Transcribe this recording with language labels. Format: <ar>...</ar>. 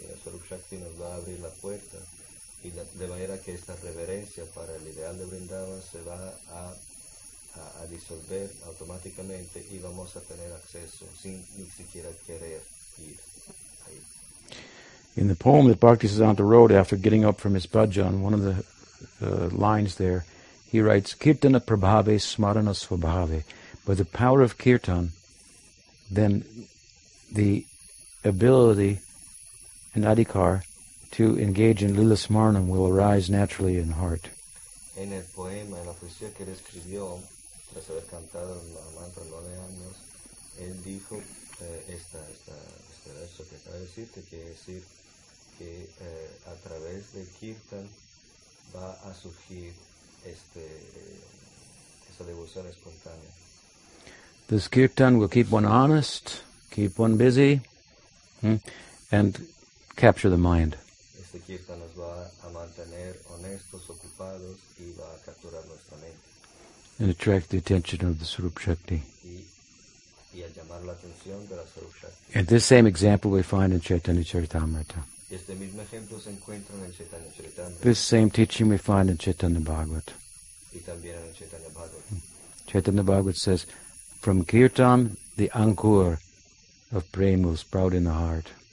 <es>La Swarup Shakti nos va a abrir la puerta y de manera que esta reverencia para el ideal de Vrindavan se va a disolver automáticamente y vamos a tener acceso sin ni siquiera querer ir.</es> <en>In the poem that Bhaktisiddhanta wrote after getting up from his bhajan, one of the lines there, he writes,</en> <bn>Kirtana Prabhave Smarana Swabhave.</bn> <en>By the power of kirtan, then the ability and adhikar to engage in lila smarnam will arise naturally in heart.</en> <es>En el poema, en la poesía que él escribió, tras haber cantado el mantra 9 años, él dijo este verso que acaba de decirte, que es decir, que a través de kirtan va a surgir esta devoción espontánea.</es> <en>This kirtan will keep one honest, keep one busy, and capture the mind.</en> <es>Este kirtan nos va a mantener honestos, ocupados, y va a capturar nuestra mente.</es> <en>And attract the attention of the Swarup Shakti.</en> <es>Y a llamar la atención de la Swarup Shakti.</es> <en>And this same example we find in Chaitanya Charitamrita.</en> <es>Este mismo ejemplo se encuentra en Chaitanya Charitamrita.</es> <en>This same teaching we find in Chaitanya Bhagavat.</en> <es>Y también en Chaitanya Bhagavat.</es> <en>Chaitanya Bhagavat says, from kirtan, the ankur of prema will sprout in the heart.</en>